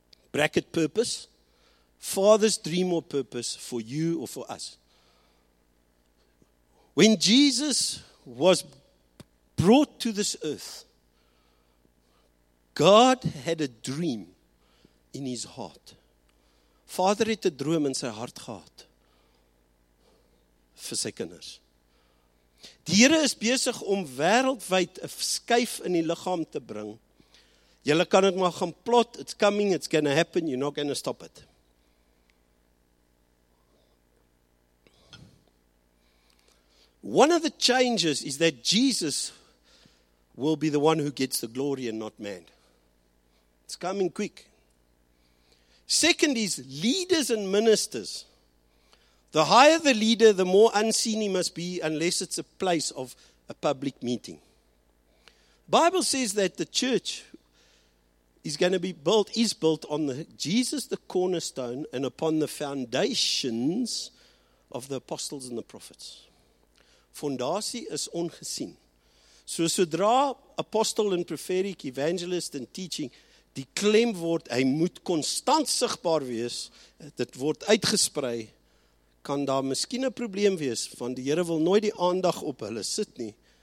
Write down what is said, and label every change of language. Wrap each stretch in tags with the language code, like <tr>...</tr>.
<en>Bracket purpose, Father's dream or purpose for you or for us. When Jesus was brought to this earth, God had a dream in his heart.</en> <af>Vader het 'n droom in sy hart gehad vir sy kinders. Die Here is besig om wêreldwyd 'n skuif in die liggaam te bring. Julle kan het maar gaan plot,</af> <en>it's coming, it's going to happen, you're not going to stop it. One of the changes is that Jesus will be the one who gets the glory and not man. It's coming quick. Second is leaders and ministers. The higher the leader, the more unseen he must be, unless it's a place of a public meeting. The Bible says that the church is built on the Jesus, the cornerstone, and upon the foundations of the apostles and the prophets.</en> <af>Fondasie is ongesien. So sodra apostel en profetiek, evangelist en teaching, die klem word, hy moet konstant sigbaar wees, dit word uitgesprei, kan daar miskien 'n probleem wees, want die Here wil nooit die aandag op hulle sit nie.</af>